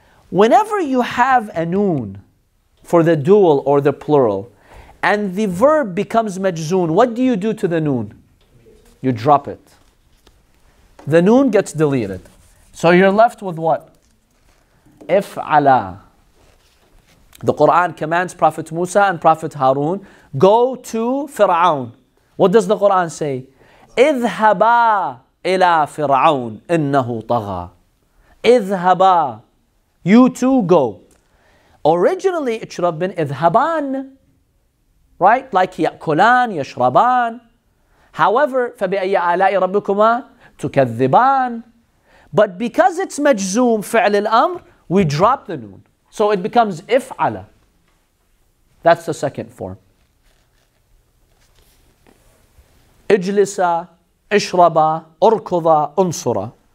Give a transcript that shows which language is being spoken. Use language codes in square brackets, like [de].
[en] Whenever you have a noon for the dual or the plural, and the verb becomes majzoom, what do you do to the noon? You drop it. The noon gets deleted. So you're left with what? If'ala. The Quran commands Prophet Musa and Prophet Harun, go to Fir'aun. What does the Quran say? [ar] اذهبا إلى فرعون إنه طغى اذهبا. [en] You too go. Originally it should have been اذهبان, right? [ar] Like يأكلان يشربان. However, فبأي آلاء ربكما تكذبان. [en] But because it's [ar] مجزوم فعل الأمر, [en] we drop the noon, so it becomes افعل. That's the second form. [ar] اجلسا, ishraba, urkuda, unsura.